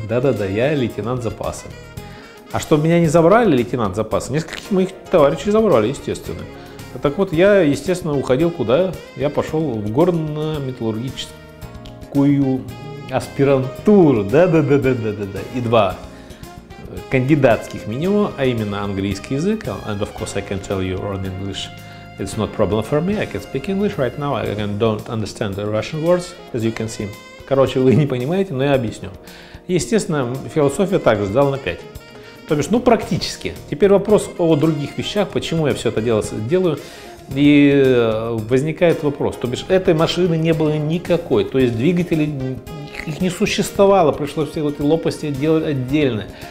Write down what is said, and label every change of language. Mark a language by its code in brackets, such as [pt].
[ru] Да-да-да, я лейтенант запаса. А чтобы меня не забрали, лейтенант запаса, нескольких моих товарищей забрали, естественно. Так вот, я, естественно, уходил куда? Я пошел в горно-металлургическую аспирантуру. Да-да-да-да-да-да-да. И два кандидатских минимума, а именно английский язык. [en] And of course, I can tell you on English. It's not a problem for me, I can speak English right now, I don't understand the Russian words, as you can see. [ru] Короче, вы не понимаете, но я объясню. Естественно, философия также сдала на 5. То бишь, ну практически. Теперь вопрос о других вещах, почему я все это делаю. И возникает вопрос, то бишь, этой машины не было никакой, то есть двигателей их не существовало, пришлось все эти лопасти делать отдельно.